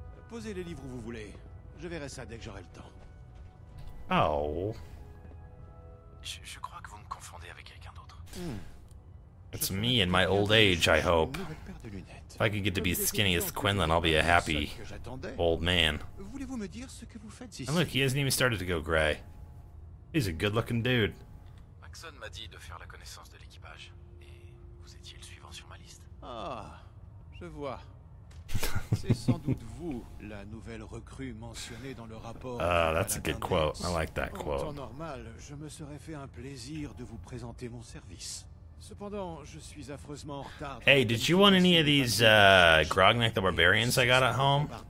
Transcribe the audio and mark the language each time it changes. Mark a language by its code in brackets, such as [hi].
[fr] Posez les livres où vous voulez. Je verrai ça dès que j'aurai le temps. Oh. Je crois que vous me confondez avec quelqu'un d'autre. [en] It's me in my old age, I hope. If I could get to be skinny as Quinlan, I'll be a happy old man. [fr] Voulez-vous me dire ce que vous faites ici? [en] And look, he hasn't even started to go gray. He's a good-looking dude. [fr] Maxon m'a dit de faire la connaissance de l'équipage. Et vous étiez le suivant sur ma liste. Ah, je vois. C'est sans doute vous, la nouvelle recrue mentionnée dans le rapport. [en] Ah, that's a good quote. I like that quote. [fr] En temps normal, je me serais fait un plaisir de vous présenter mon service. Cependant, je suis affreusement en retard. [en] Hey, did you want any of these Grognak the Barbarians I got at home?